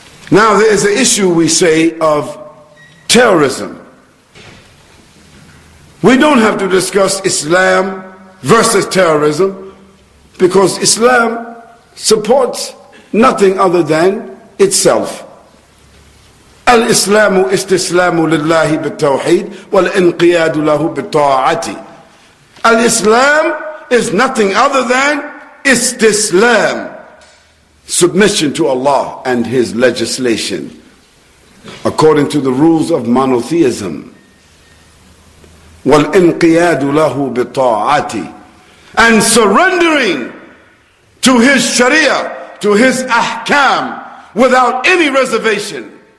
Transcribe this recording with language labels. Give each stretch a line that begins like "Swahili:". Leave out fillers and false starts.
English: Now, there is an issue, we say, of terrorism. We don't have to discuss Islam versus terrorism, because Islam supports nothing other than itself.
Arabic: الإسلام استسلام لله بالتوحيد والانقياد له بالطاعة. الإسلام
English: is nothing other than istislam, submission to Allah and His legislation, according to the rules of monotheism.
Arabic: وَالْإِنْقِيَادُ لَهُ بِطَاعَتِ,
English: and surrendering to His Sharia, to His Ahkam, without any reservation.